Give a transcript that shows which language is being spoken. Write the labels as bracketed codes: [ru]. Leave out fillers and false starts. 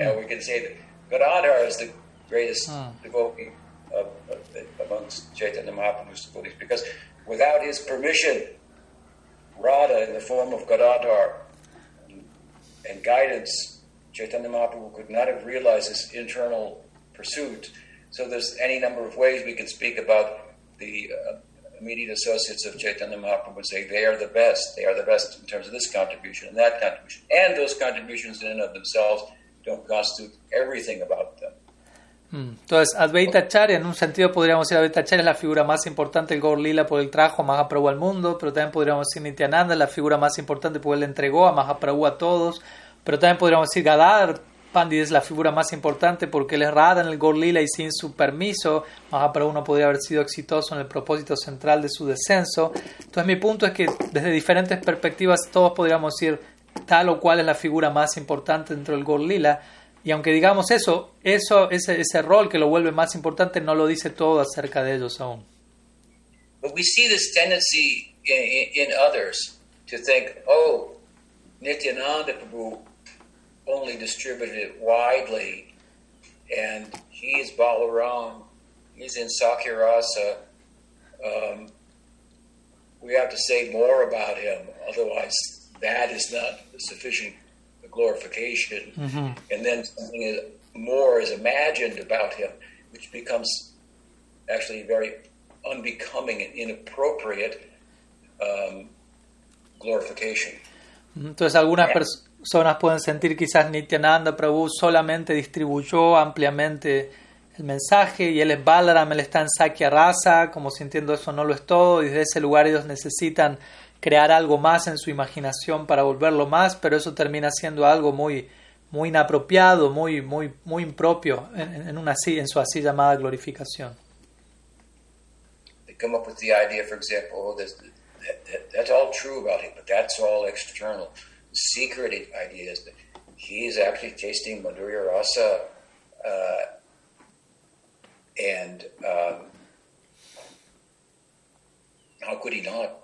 [en] Yeah, we can say that Gadadhar is the greatest devotee amongst Chaitanya Mahaprabhu's devotees because without his permission, Radha, in the form of Gadadhar and guidance, Chaitanya Mahaprabhu could not have realized his internal pursuit. So there's any number of ways we can speak about the immediate associates of Chaitanya Mahaprabhu and say they are the best. They are the best in terms of this contribution and that contribution. And those contributions in and of themselves don't constitute everything about them. [es] Entonces, Advaita Acharya, en un sentido podríamos decir Advaita Acharya es la figura más importante del Gaur Lila por el trajo a Mahaprabhu al mundo, pero también podríamos decir Nityananda es la figura más importante porque él le entregó a Mahaprabhu a todos, pero también podríamos decir Gadadhar Pandit es la figura más importante porque él es Radha en el Gaur Lila y sin su permiso Mahaprabhu no podría haber sido exitoso en el propósito central de su descenso. Entonces, mi punto es que desde diferentes perspectivas todos podríamos decir tal o cual es la figura más importante dentro del Gaur Lila. Y aunque digamos ese rol que lo vuelve más importante no lo dice todo acerca de ellos aún. [en] But we see this tendency in others to think, oh, Nityananda Prabhu only distributed widely and he is Balaram, he's in Sakya Rasa. We have to say more about him, otherwise that is not sufficient glorification, and then something more is imagined about him, which becomes actually very unbecoming and inappropriate glorification. [es] Entonces algunas personas pueden sentir quizás Nityananda Prabhu solamente distribuyó ampliamente el mensaje y él es Balaram, él está en Sakya Rasa, como sintiendo eso no lo es todo, y desde ese lugar ellos necesitan crear algo más en su imaginación para volverlo más, pero eso termina siendo algo muy, muy inapropiado, muy, muy, muy impropio en su así llamada glorificación. [en] They come up with the idea, for example, that's all true about him, but that's all external. The secret idea is that he is actually tasting Madhurya Rasa and how could he not?